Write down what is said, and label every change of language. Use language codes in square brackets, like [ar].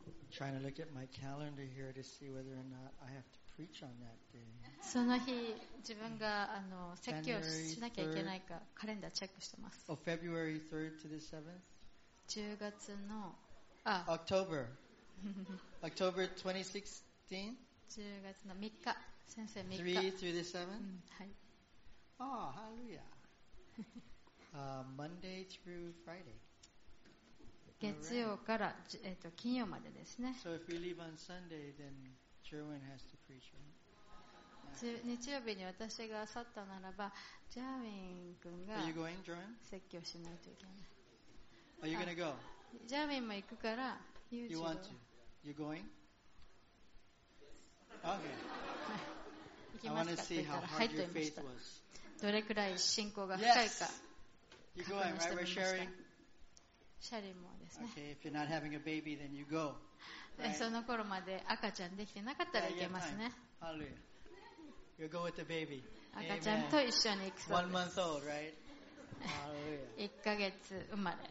[en] trying to look at my calendar here to see whether or not I have to preach on that day. [ja] その日自分があの説教しなきゃいけないかカレンダーチェックしてます。 [en] Oh, February 3rd to the 7th. [ja] 10月の [en] あ October. October 2016. [ja] 10月の3日先生3日。 [en] 3 through the 7th. はい。 Oh, hallelujah. Monday through Friday. [ja] 月曜から、金曜までですね。 [en] So if we leave on Sunday, then Jerwin has to preach, right? [ja] 日曜日に私が去ったならば、ジャーウィン君が説教しないといけない。 [en] Are you going to go? [ja] ジャーウィンも行くから、 [en] You want to? You going? Okay. [ja] 行きますかって言ったら、入っていました。どれくらい信仰が深いか確認してみました。 [en] You're going, right? We're sharing. [ja] シャリもですね。 [en] Okay, if you're not having a baby, then you go. Right? [ja] その頃まで赤ちゃんできてなかったら行けますね。 [en] Hallelujah. You go with the baby. [ja] 赤ちゃんと一緒に行くそうです。 [en] One month old, right? [ja] Hallelujah. 1ヶ月生まれ。